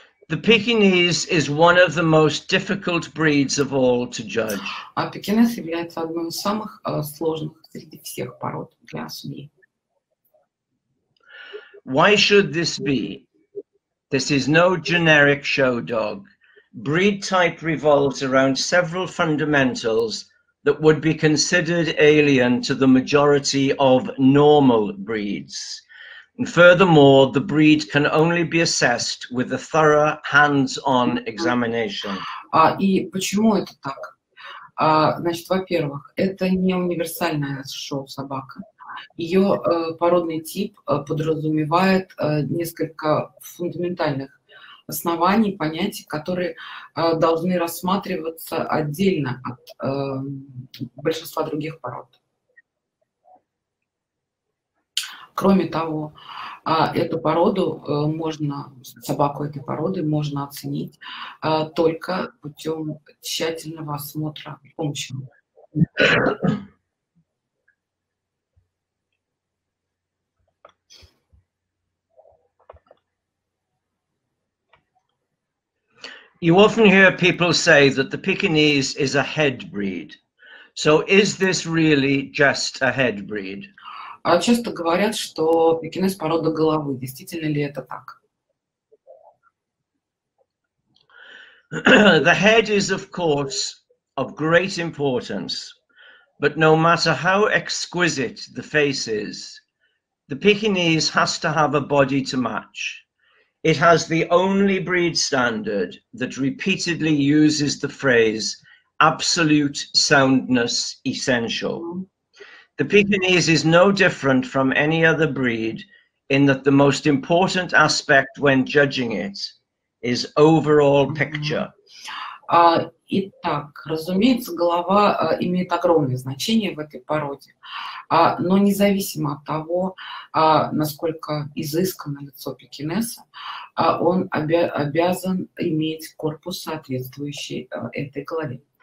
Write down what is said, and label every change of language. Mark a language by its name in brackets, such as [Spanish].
[English] The Pekingese is one of the most difficult breeds of all to judge. [Russian] А пекинес является одной из самых сложных среди всех пород для судьи. [English] Why should this be? This is no generic show dog. Breed type revolves around several fundamentals that would be considered alien to the majority of normal breeds. And furthermore, the breed can only be assessed with a thorough hands-on examination. [Russian] И почему это так? Значит, во-первых, это не универсальная шоу-собака. Ее породный тип подразумевает несколько фундаментальных оснований, понятий, которые должны рассматриваться отдельно от большинства других пород. Кроме того, эту породу можно, собаку этой породы можно оценить только путем тщательного осмотра с помощью. [English] You often hear people say that the Pekingese is a head breed. So is this really just a head breed? [Russian] Часто говорят, что пекинес – порода головы. Действительно ли это так? [English] The head is, of course, of great importance. But no matter how exquisite the face is, the Pekingese has to have a body to match. It has the only breed standard that repeatedly uses the phrase absolute soundness essential. The Pekingese is no different from any other breed in that the most important aspect when judging it is overall picture. [Russian] Итак, разумеется, голова имеет огромное значение в этой породе, но независимо от того, насколько изысканно лицо пекинеса, он обязан иметь корпус, соответствующий этой голове.